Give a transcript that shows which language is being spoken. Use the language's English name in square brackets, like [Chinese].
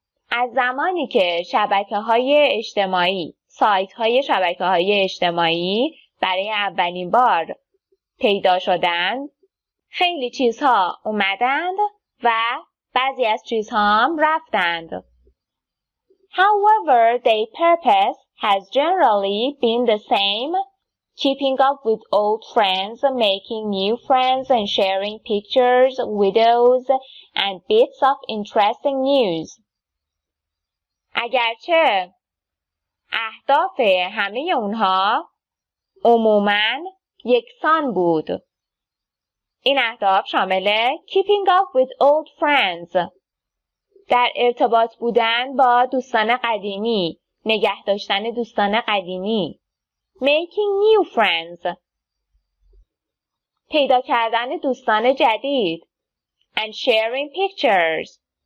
[Persian] از زمانی که شبکه‌های اجتماعی، سایت‌های شبکه‌های اجتماعی برای اولین بار پیدا شدند، خیلی چیزها اومدند و بعضی از چیزها هم رفتند. [English] However, their purpose has generally been the same, keeping up with old friends, making new friends and sharing pictures, videos and bits of interesting news. [Persian] اگرچه اهداف همه اونها عموما یکسان بود. این اهداف شامل [English] keeping up with old friends، [Persian] در ارتباط بودن با دوستان قدیمی، نگه داشتن دوستان قدیمی، [English] making new friends، [Persian] پیدا کردن دوستان جدید، [English] and sharing pictures،